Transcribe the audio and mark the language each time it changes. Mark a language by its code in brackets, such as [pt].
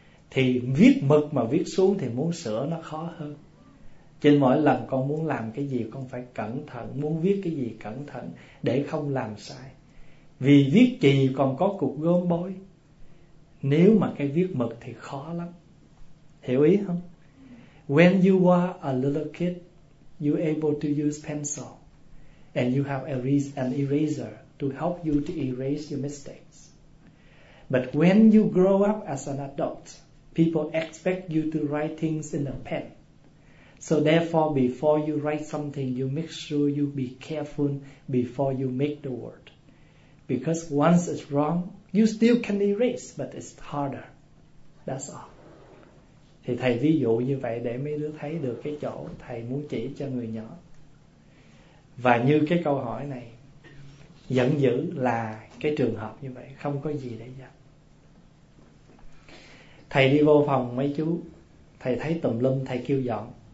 [vi] Thì viết mực mà viết xuống thì muốn sửa nó khó hơn. Trên mỗi lần con muốn làm cái gì con phải cẩn thận, muốn viết cái gì cẩn thận để không làm sai. Vì viết chì còn có cục gươm bôi, nếu mà cái viết mực thì khó lắm. Hiểu ý không? [en] When you were a little kid, you able to use pencil and you have an eraser to help you to erase your mistakes. But when you grow up as an adult, people expect you to write things in a pen. So therefore, before you write something, you make sure you be careful before you make the word. Because once it's wrong, you still can erase, but it's harder. That's all. [vi] Thì thầy ví dụ như vậy để mấy đứa thấy được cái chỗ thầy muốn chỉ cho người nhỏ. Và như cái câu hỏi này, giận dữ là cái trường hợp như vậy, không có gì để giận. Thầy đi vô phòng mấy chú, thầy thấy tùm lum, thầy kêu dọn.